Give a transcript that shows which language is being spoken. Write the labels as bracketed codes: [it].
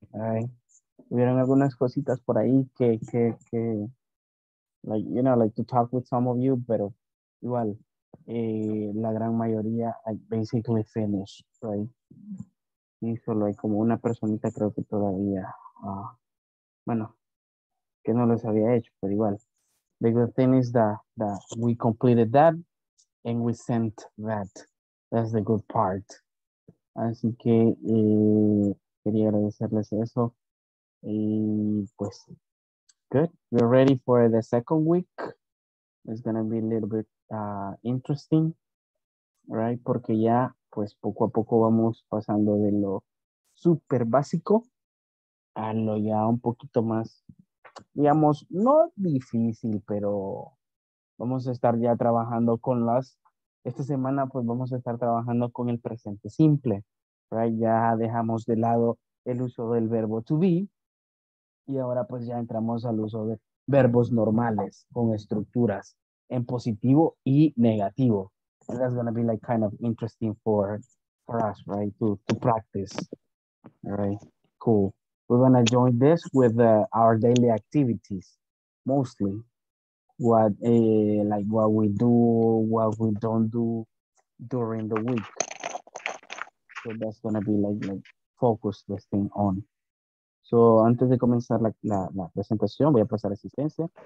[en] Right? [es] Hubieron algunas cositas por ahí que [en] like, you know, like to talk with some of you, [es] pero igual, la gran mayoría, [en] like, basically finished, right? [es] Y solo hay como una personita, creo que todavía, bueno, que no les había hecho, pero igual. [en] The good thing is that we completed that and we sent that. That's the good part. [es] Así que quería agradecerles eso. Y pues, [en] good. We're ready for the second week. It's going to be a little bit interesting, right? [es] Porque ya, pues, poco a poco vamos pasando de lo super básico a lo ya un poquito más, digamos, no difícil, pero vamos a estar ya trabajando con las, esta semana, pues, vamos a estar trabajando con el presente simple. Right, ya dejamos de lado el uso del verbo to be y ahora pues ya entramos al uso de verbos normales con estructuras en positivo y negativo. [en] And that's gonna be like kind of interesting for us, right, to practice. All right, cool. We're gonna join this with our daily activities, mostly what we do, what we don't do during the week. So that's going to be like focus this thing on. [es] So antes de comenzar la presentación, voy a pasar asistencia.